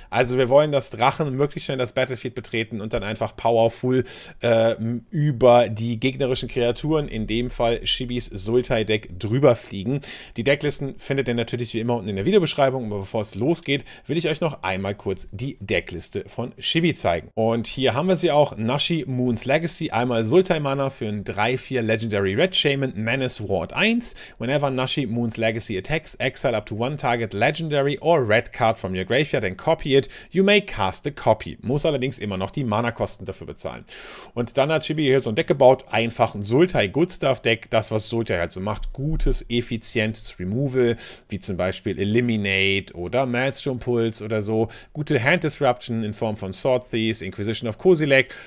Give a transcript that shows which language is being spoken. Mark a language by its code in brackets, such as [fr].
[de] Also wir wollen, dass Drachen möglichst schnell das Battlefield betreten und dann einfach powerful über die gegnerischen Kreaturen, in dem Fall Shibis Sultai-Deck, drüber fliegen. Die Decklisten findet ihr natürlich wie immer unten in der Videobeschreibung. Aber bevor es losgeht, will ich euch noch einmal kurz die Deckliste von Shibi zeigen. Und hier haben wir sie auch. Nashi Moon's Legacy. Einmal Sultai-Mana für einen 3-4 Legendary Red Shaman Menace Ward 1. [en] Whenever Nashi Moon's Legacy attacks, exile up to one target legendary or red card from your graveyard and copy it. You may cast a copy. [de] Muss allerdings immer noch die Mana-Kosten dafür bezahlen. Und dann hat Shibi hier so ein Deck gebaut. Einfach ein Sultai-Good-Stuff-Deck. Das, was Sultai halt so macht. Gutes, effizientes Removal, wie zum Beispiel Eliminate oder Maelstrom Pulse oder so. Gute Hand-Disruption in Form von Sword Thieves, Inquisition of Kozilek.